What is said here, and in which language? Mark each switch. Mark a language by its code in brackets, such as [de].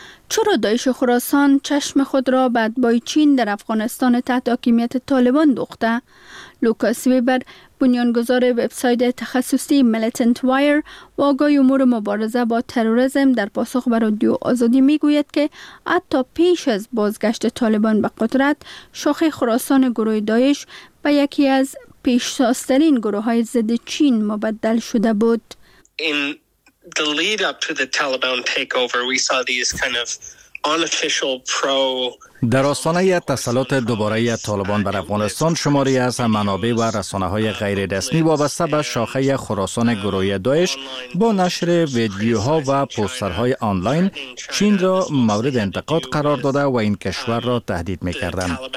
[fa] چرا داعش خراسان چشم خود را بعد با چین در افغانستان تحت حاکمیت طالبان دوخته؟ لوکاس ویبر، بنیانگذار وبسایت تخصصی ملتنت وایر و آگاه امور مبارزه با تروریسم، در پاسخ به رادیو آزادی میگوید که حتی پیش از بازگشت طالبان به قدرت، شاخه خراسان گروه داعش به یکی از پیشتازترین گروه های ضد چین مبدل شده بود. [en] The lead up to the Taliban takeover, we saw these kind of unofficial pro. [fa] در آستانه تسلط دوباره طالبان بر افغانستان شماری از منابع و رسانه‌های غیر رسمی وابسته به شاخه خراسان گروهی داعش با نشر ویدیوها و پوسترهای آنلاین چین را مورد انتقاد قرار داده و این کشور را تهدید می‌کردند.